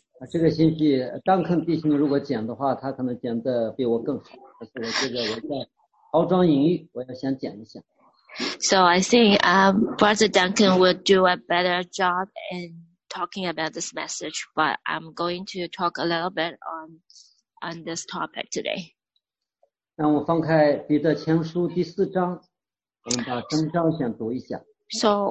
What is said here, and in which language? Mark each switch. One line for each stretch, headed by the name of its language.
Chinese: 这个信息，Duncan弟兄如果讲的话，他可能讲的比我更好。但是我觉得我在包装隐喻，我要先讲一下。So
English: I think Brother Duncan will do a better job in talking about this message, but I'm going to talk a little bit on this topic today.
Chinese: 让我翻开彼得前书第四章，我们把整章先读一下。So